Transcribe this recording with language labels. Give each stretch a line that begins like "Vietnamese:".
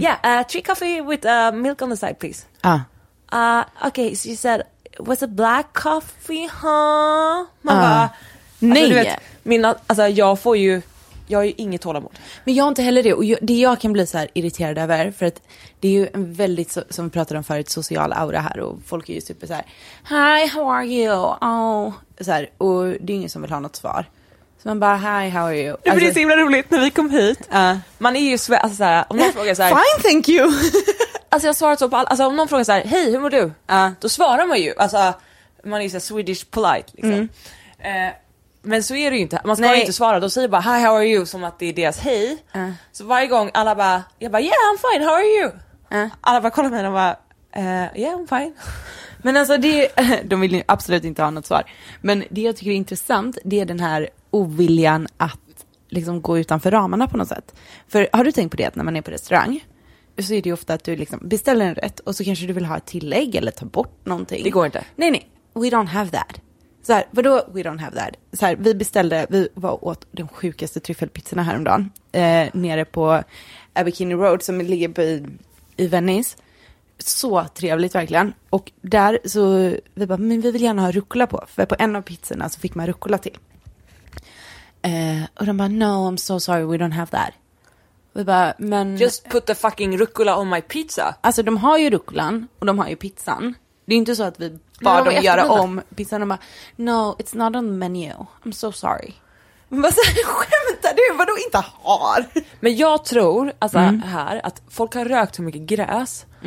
English: Yeah, 3 coffee with milk on the side, please. Okay, so you said, was it black coffee, huh?
Swedish: Man nej. Alltså, du vet, jag har ju inget tålamod. Men jag har inte heller det. Och det jag kan bli så här irriterad över, för att det är ju en väldigt, som vi pratade om förut, social aura här. Och folk är ju super så här,
English: hi, how are you? Oh.
Swedish: Så här, och det är ingen som vill ha något svar. Så man bara,
English: hi, how are you?
Swedish: Det blir alltså, så himla roligt när vi kom hit. Man är ju alltså, så här, om någon frågar så här,
English: fine, thank you.
Swedish: Alltså jag svarar så på alltså om någon frågar så här, hej, hur mår du? Då svarar man ju. Alltså man är ju så här Swedish polite liksom. Men så är det ju inte. Man ska ju inte svara. Då säger bara,
English: hi, how are you?
Swedish: Som att det är deras hej. Så varje gång alla bara, jag bara,
English: yeah, I'm fine, how are you?
Swedish: Alla bara kollar med mig och bara,
English: yeah, I'm fine.
Swedish: Men alltså, de vill ju absolut inte ha något svar. Men det jag tycker är intressant, det är den här oviljan att liksom gå utanför ramarna på något sätt. För har du tänkt på det att när man är på restaurang, så är det ju ofta att du liksom beställer en rätt och så kanske du vill ha ett tillägg eller ta bort någonting. Det går inte. Nej,
English: we don't have that.
Swedish: Så här, vadå,
English: we don't have that?
Swedish: Så här, vi var åt de sjukaste tryffelpizzorna häromdagen. Nere på Abbekinney Road som ligger i Venice. Så trevligt verkligen. Och där så, vi bara, men vi vill gärna ha rucola på. För på en av pizzorna så fick man rucola till. Och de bara,
English: no, I'm so sorry, we don't have that.
Swedish: Vi bara, men...
English: Just put the fucking rucola on my pizza.
Swedish: Alltså de har ju rucolan och de har ju pizzan. Det är inte så att vi bara dem göra om pizzan och bara,
English: no, it's not on the menu. I'm so sorry.
Swedish: Skämtar du? Vadå inte har? Men jag tror alltså, här att folk har rökt så mycket gräs.